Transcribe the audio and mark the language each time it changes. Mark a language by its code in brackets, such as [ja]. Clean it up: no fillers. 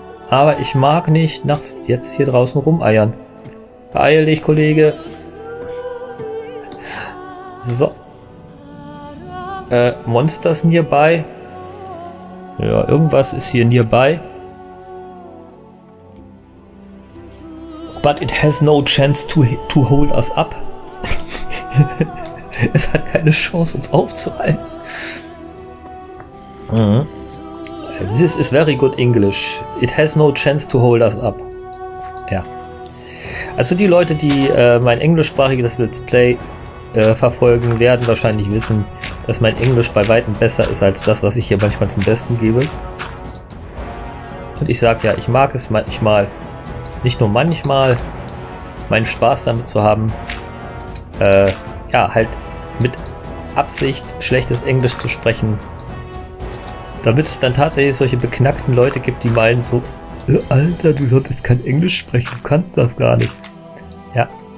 [de] Aber ich mag nicht nachts jetzt hier draußen rumeiern. Beeil dich, Kollege. So. Monsters nearby. Ja, irgendwas ist hier nearby. [en] But it has no chance to hold us up. [de] Es hat keine Chance, uns aufzuhalten. [en] This is very good English. It has no chance to hold us up. [de] Ja. Also die Leute, die mein englischsprachiges Let's Play verfolgen, werden wahrscheinlich wissen, dass mein Englisch bei weitem besser ist als das, was ich hier manchmal zum Besten gebe. Und ich sag ja, ich mag es manchmal, nicht nur manchmal, meinen Spaß damit zu haben, ja, halt mit Absicht schlechtes Englisch zu sprechen, damit es dann tatsächlich solche beknackten Leute gibt, die meinen so, Alter, du solltest kein Englisch sprechen, du kannst das gar nicht. Ja.